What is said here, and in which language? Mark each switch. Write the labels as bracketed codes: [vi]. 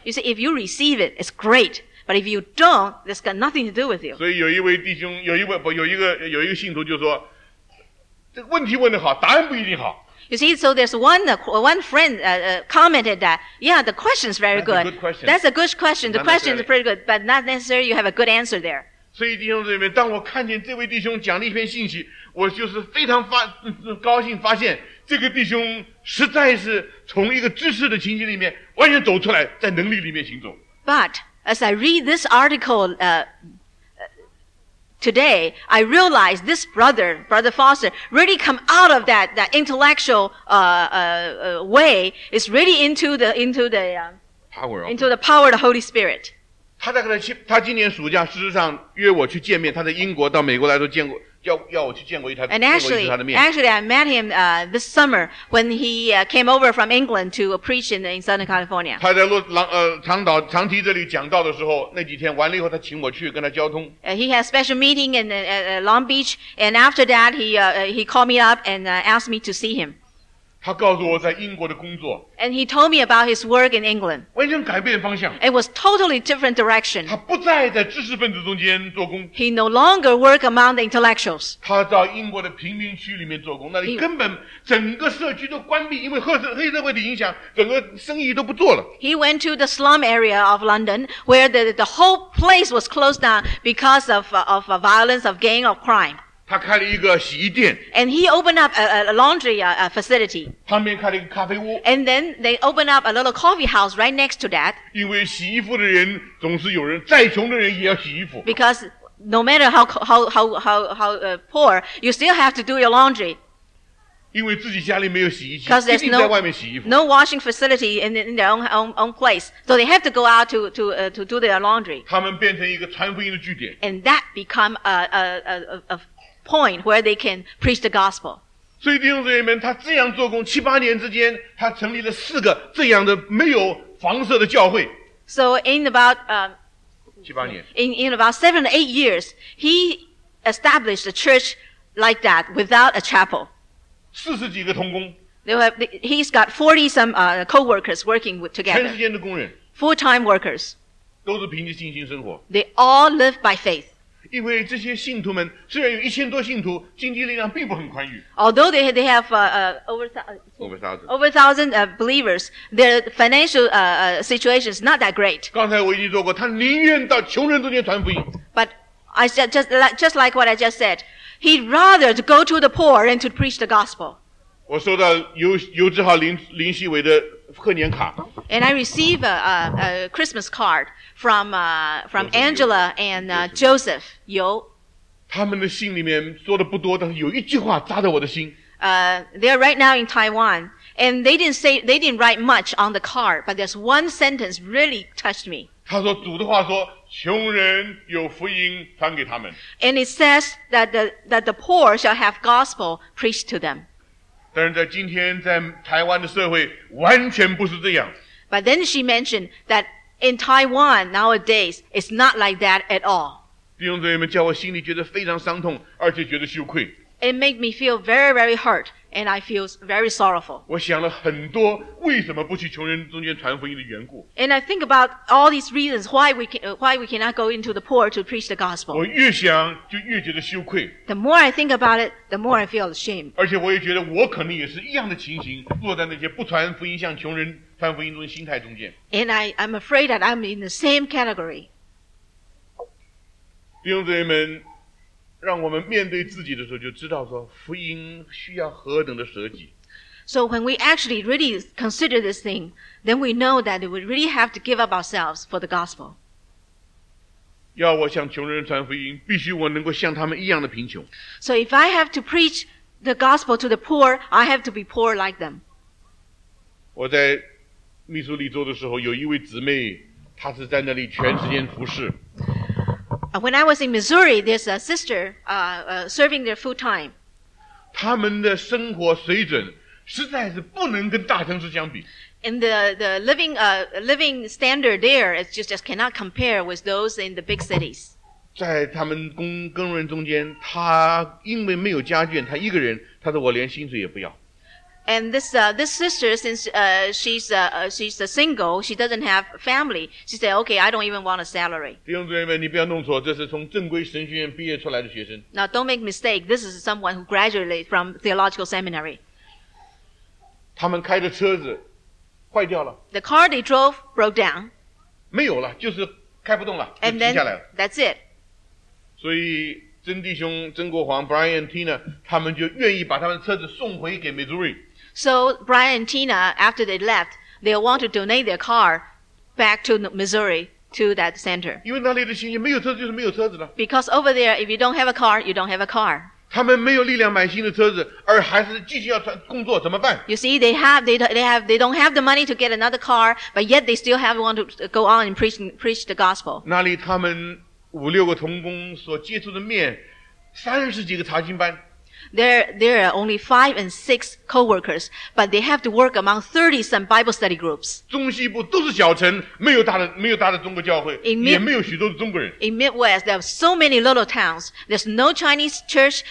[en] You see, if you receive it, it's great. But if you don't, this got nothing to do with you. [zh] 所以有一位弟兄，有一个信徒就说，这个问题问得好，答案不一定好。 [en] You see, so there's one friend commented that, yeah, the question's very good. That's a good question. The question is pretty good, but not necessarily you have a good answer there. [zh] 所以弟兄姊妹，当我看见这位弟兄讲了一篇信息，我就是非常高兴发现这个弟兄实在是从一个知识的情境里面完全走出来，在能力里面行走。 [en] But as I read this article today, I realize this brother Foster, really come out of that intellectual way, is really into the power of the Holy Spirit. [zh] 他今年暑假事实上约我去见面，他在英国到美国来都见过，要我去见过一次他的面。 [en] Actually, I met him this summer when he came over from England to preach in Southern California. [zh] 他在长堤这里讲道的时候，那几天完了以后，他请我去跟他交通。 [en] He had a special meeting in Long Beach, and after that, he called me up and asked me to see him. [zh] 他告诉我在英国的工作。 [en] And he told me about his work in England. [zh] 完全改变方向。 [en] It was totally different direction. [zh] 他不再在知识分子中间做工。 [en] He no longer work among the intellectuals. [zh] 他到英国的贫民区里面做工，那里根本整个社区都关闭，因为黑社会的影响，整个生意都不做了。 [en] He went to the slum area of London, where the whole place was closed down because of violence, of gang, of crime. [zh] 他开了一个洗衣店。 [en] And he opened up a laundry facility. [zh] 旁边开了一个咖啡屋。 [en] And then they opened up a little coffee house right next to that. [zh] 因为洗衣服的人总是有人，再穷的人也要洗衣服。 [en] Because no matter how poor, you still have to do your laundry. [zh] 因为自己家里没有洗衣机，一定在外面洗衣服。 [en] No washing facility in their own place. So they have to go out to do their laundry. [zh] 他们变成一个传福音的据点。 [en] And that become a point where they can preach the gospel. [zh] 所以弟兄姊妹们，他这样做工七八年之间，他成立了四个这样的没有房舍的教会。 [en] So in about [zh] 七八年 [en] in about 7 to 8 years, he established a church like that without a chapel. [zh] 四十几个同工。 [en] He's got 40 some co-workers working together. [zh] 全时间的工人。 [en] Full-time workers. [zh] 都是凭着信心生活。 [en] They all live by faith. [zh] 因为这些信徒们虽然有1000多信徒，经济力量并不很宽裕。 [en] Although they have over thousand believers, their financial situation is not that great. [zh] 刚才我已经说过，他宁愿到穷人中间传福音。 [en] But I said just like what I just said, he'd rather to go to the poor and to preach the gospel. [zh] 我收到尤志豪林希伟的贺年卡。 [en] And I receive a Christmas card. From Angela and Joseph, Yu. [zh] 他们的信里面说的不多，但是有一句话扎在我的心。 [en] They are right now in Taiwan, and they didn't write much on the card, but there's one sentence really touched me. [zh] 他说主的话说，穷人有福音传给他们。 [en] And it says that the poor shall have gospel preached to them. [zh] 但是在今天在台湾的社会完全不是这样。 [en] But then she mentioned that. In Taiwan nowadays, it's not like that at all. [zh] 弟兄姊妹们，叫我心里觉得非常伤痛，而且觉得羞愧。 [en] It made me feel very, very hurt, and I feel very sorrowful. [zh] 我想了很多为什么不去穷人中间传福音的缘故。 [en] And I think about all these reasons why we cannot go into the poor to preach the gospel. [zh] 我越想就越觉得羞愧。 [en] The more I think about it, the more I feel ashamed. [zh] 而且我也觉得我可能也是一样的情形，落在那些不传福音向穷人。传福音中心态中间。 [en] And I'm afraid that I'm in the same category. [zh] 弟兄姊妹们，让我们面对自己的时候，就知道说福音需要何等的舍己。 [en] So when we actually really consider this thing, then we know that we really have to give up ourselves for the gospel. [zh] 要我向穷人传福音，必须我能够像他们一样的贫穷。 [en] So if I have to preach the gospel to the poor, I have to be poor like them. [zh] 我在密苏里州的时候，有一位姊妹，她是在那里全时间服侍。 [en] When I was in Missouri, there's a sister serving there full time. [zh] 他们的生活水准实在是不能跟大城市相比。 [en] And the living standard there is just cannot compare with those in the big cities. [zh] 在他们工人中间，他因为没有家眷，他一个人，他说我连薪水也不要。 [en] And this sister, since she's a single, she doesn't have family. She said, "Okay, I don't even want a salary." [zh] 弟兄姊妹们，你不要弄错，这是从正规神学院毕业出来的学生。 [en] Now, don't make mistake. This is someone who graduated from theological seminary. [zh] 他们开的车子坏掉了。 [en] The car they drove broke down. [zh] 没有了，就是开不动了，就停下来了。 [en] And then, that's it. [zh] 所以曾弟兄、曾国煌、Brian and Tina 他们就愿意把他们的车子送回给 Missouri。 [en] So Brian and Tina, after they left, they want to donate their car back to Missouri to that center. [zh] 因为那里的亲戚没有车子就是没有车子了。 [en] Because over there, if you don't have a car, you don't have a car. [zh] 他们没有力量买新的车子，而还是继续要工作，怎么办？ [en] You see, they don't have the money to get another car, but yet they still have want to go on and preach the gospel. [zh] 那里他们五六个同工所接触的面，三十几个查经班。 [en] There are only five and six co-workers, but they have to work among 30 some Bible study groups. [zh] 中西部都是小城，没有大的中国教会，也没有许多的中国人。 [en] In Midwest, there are so many little towns. There's no Chinese church.